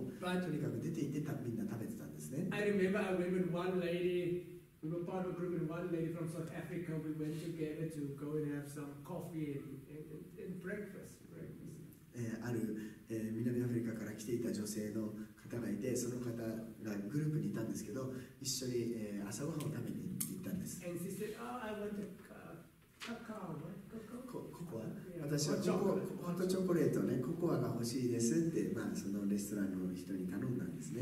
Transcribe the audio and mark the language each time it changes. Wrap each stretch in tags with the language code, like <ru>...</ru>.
<ja>何でも食べられる。どこでも食べられる。シンプルな安い食べ物が食べられるということで、まあ昼も朝もですね、夜もとにかく出て行ってみんな食べてたんですね。</ja> <en>I remember one lady, we were part of a group, and one lady from South Africa, we went together to go and have some coffee and breakfast.</en> <ja>ある南アフリカから来ていた女性の方がいて、その方がグループにいたんですけど、一緒に朝ごはんを食べに行ったんです。</ja> <en>And she said, "Oh, I want a cacao."</en> <ja>ココア。私はホットチョコレートね、ココアが欲しいですって、まあそのレストランの人に頼んだんですね。</ja>